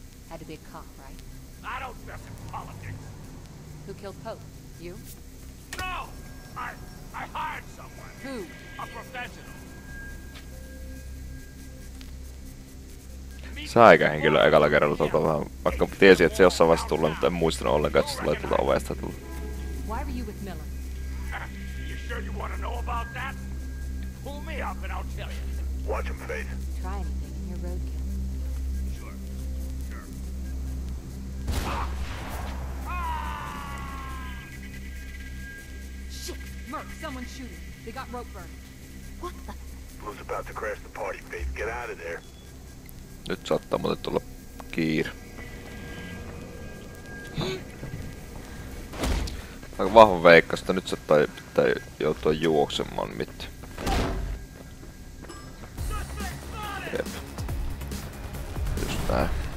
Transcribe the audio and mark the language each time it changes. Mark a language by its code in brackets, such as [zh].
[en] Had to be a cop, right? I don't mess in politics. Who killed Pope? You? No! I hired someone. Who? A professional. [fi] Säikähän kyllä ekalla kerralla tuolta vähän, vaikka tiesi, että se jossain vaiheessa tulee, mutta en muistanut ollenkaan, että se tulee tuolta ovesta tulla. [en] Why were you with Miller? You sure you wanna know about that? Pull me up and I'll tell you. Watch him, Faith. Try anything in your roadkill. Sure. Shit! Merc, someone shooting. They got rope burned. What the? Blue's about to crash the party, Faith. Get out of there. [fi] Nyt saattaa muuten tulla kiire. Aika vahva veikkaus, että nyt saattaa pitää joutua juoksemaan mit. Jep. Just näin.